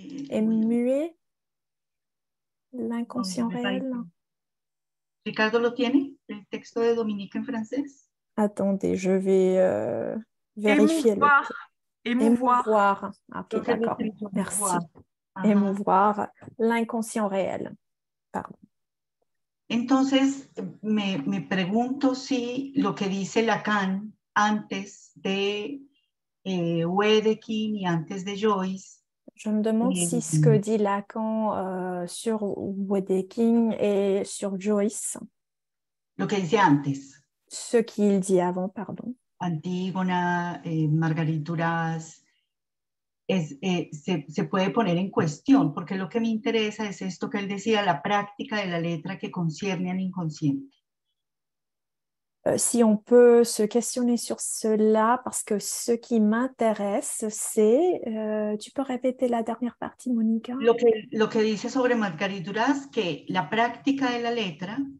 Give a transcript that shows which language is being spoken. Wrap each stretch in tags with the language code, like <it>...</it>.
<fr>Émuer? L'inconscient réel?</fr> <es>Ricardo, lo tiene?</es> <fr>Le texte de Dominique en français? Attendez, je vais. vérifier émouvoir. Émouvoir. Ok, d'accord. Merci. Émouvoir l'inconscient réel. Pardon.</fr> <es>Entonces, me pregunto si lo que dice Lacan antes de Wedekind y antes de Joyce.</es> <fr>Je me demande si ce que dit Lacan sur Wedekind et sur Joyce.</fr> <es>Lo que dice antes.</es> <fr>Ce qu'il dit avant, pardon.</fr> <es>Antígona, Margarit Duras. Se puede poner en cuestión, porque lo que me interesa es esto que él decía, la práctica de la letra que concierne al inconsciente.</es> <fr>Si on peut se questionner sur cela, parce que ce qui m'intéresse, c'est... tu peux répéter la dernière partie, Monica?</fr> <es>Lo que dice sobre Margarit Duras, que la práctica de la letra...</es>